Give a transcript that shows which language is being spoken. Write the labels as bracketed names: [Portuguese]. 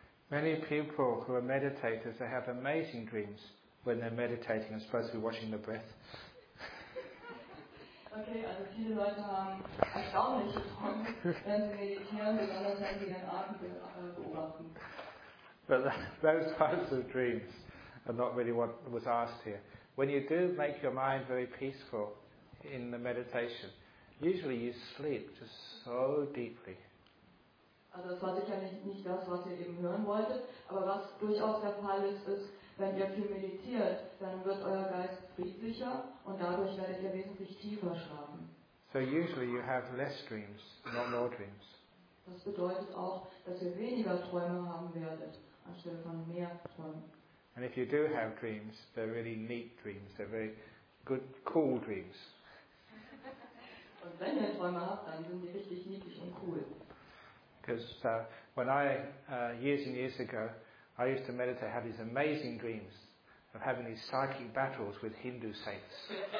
[English] Many people who are meditators, they have amazing dreams when they're meditating and supposed to be washing the breath. [German] Okay, also viele Leute haben erstaunliche Träume, wenn sie meditieren, besonders wenn sie ihren Atem beobachten. [English] But those types of dreams are not really what was asked here. When you do make your mind very peaceful in the meditation, usually you sleep just so deeply. [German] Also das war sicherlich nicht das, was ihr eben hören wolltet, aber was durchaus der Fall ist, ist, wenn ihr viel meditiert, dann wird euer Geist friedlicher und dadurch werdet ihr wesentlich tiefer schlafen. [English] So usually you have less dreams, not more dreams. [German] Das bedeutet auch, dass ihr weniger Träume haben werdet, anstelle von mehr Träumen. [English] And if you do have dreams, they're really neat dreams. They're very good, cool dreams. [German] Und wenn ihr Träume habt, dann sind die richtig niedlich und cool. [English] Because when I, years and years ago, I used to meditate, have these amazing dreams of having these psychic battles with Hindu saints.